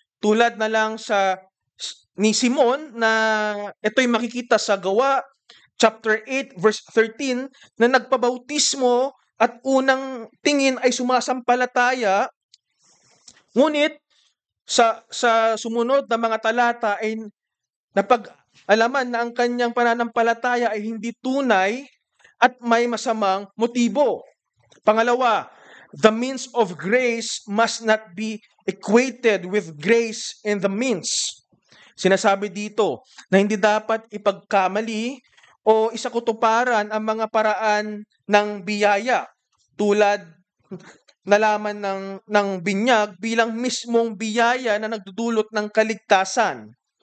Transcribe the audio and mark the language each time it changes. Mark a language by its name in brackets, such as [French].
[Filipino] Tulad na lang sa ni Simon, na ito'y makikita sa Gawa chapter 8 verse 13, na nagpabautismo at unang tingin ay sumasampalataya, ngunit sa sumunod na mga talata ay napag-alaman na ang kanyang pananampalataya ay hindi tunay at may masamang motibo. Pangalawa, [English] the means of grace must not be equated with grace in the means. [Filipino] Sinasabi dito na hindi dapat ipagkamali o isakutuparan ang mga paraan ng biyaya, tulad nalaman ng binyag bilang mismong biyaya na nagdudulot ng kaligtasan.